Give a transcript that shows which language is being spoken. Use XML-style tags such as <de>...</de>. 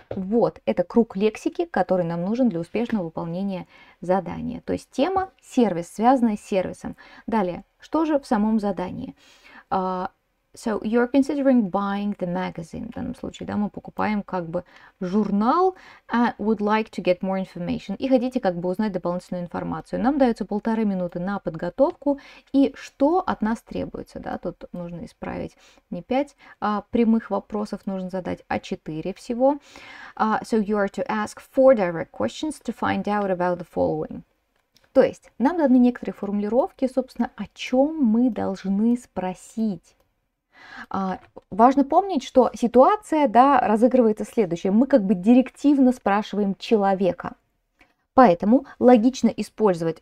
<ru>Вот, это круг лексики, который нам нужен для успешного выполнения задания. То есть тема — сервис, связанная с сервисом. Далее, что же в самом задании?</ru> <en>So you're considering buying the magazine.</en> <ru>В данном случае, да, мы покупаем как бы журнал.</ru> <en>Would like to get more information.</en> <ru>И хотите как бы узнать дополнительную информацию. Нам дается 1,5 минуты на подготовку. И что от нас требуется, да? Тут нужно исправить не 5 прямых вопросов нужно задать, а 4 всего.</ru> <en>So you are to ask 4 direct questions to find out about the following.</en> <ru>То есть нам даны некоторые формулировки, собственно, о чем мы должны спросить. Важно помнить, что ситуация, да, разыгрывается следующая. Мы как бы директивно спрашиваем человека. Поэтому логично использовать.</ru>